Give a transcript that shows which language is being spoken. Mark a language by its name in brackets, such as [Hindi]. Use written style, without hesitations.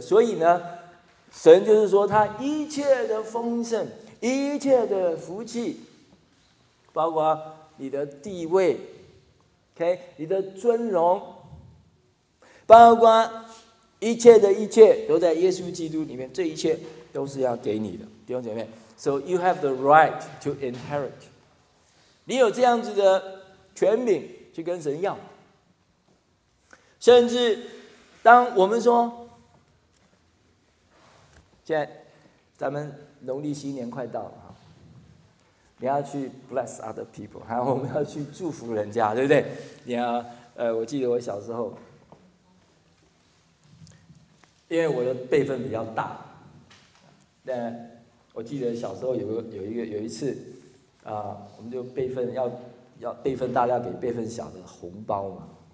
[Chinese] 所以呢，神就是说他一切的丰盛，一切的福气，包括你的地位 ，OK， 你的尊荣，包括一切的一切，都在耶稣基督里面，这一切都是要给你的，弟兄姐妹。 [English] So you have the right to inherit， [Chinese] 你有这样子的权柄去跟神要。甚至当我们说，现在咱们农历新年快到了，你要去 [English] bless other people， [Chinese] 还有我们要去祝福人家，对不对？你要我记得我小时候，因为我的辈分比较大，但我记得小时候有一次啊，我们就辈分要辈分大要给辈分小的红包嘛。